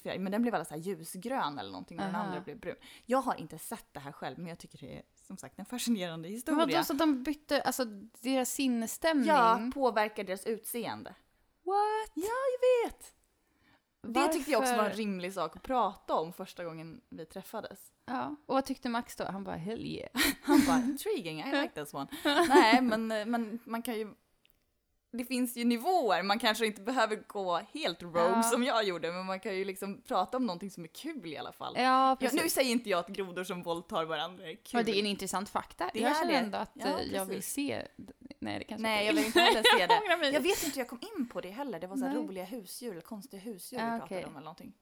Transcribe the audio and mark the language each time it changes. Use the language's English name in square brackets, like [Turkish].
[Swedish] Men den blev alla så här ljusgrön eller någonting. Och den andra blev brun. Jag har inte sett det här själv. Men jag tycker det är som sagt en fascinerande historia. Men vadå, så de bytte... Alltså deras sinnesstämning... Ja, påverkar deras utseende. [English] What? [Swedish] Ja, jag vet. Varför? Det tyckte jag också var en rimlig sak att prata om första gången vi träffades. Ja, och vad tyckte Max då? Han bara, [English] hell yeah. [Swedish] Han bara, [English] intriguing, I like this one. [Swedish] Nej, men man kan ju... Det finns ju nivåer. Man kanske inte behöver gå helt rogue som jag gjorde. Men man kan ju liksom prata om någonting som är kul i alla fall. Ja, nu säger inte jag att grodor som våldtar varandra är kul. Och det är en intressant fakta. Det jag känner ändå att jag vill se... Nej, det kanske Nej jag vill inte heller se det. Jag vet inte hur jag kom in på det heller. Det var så roliga husdjur eller konstiga husdjur vi pratade om eller någonting.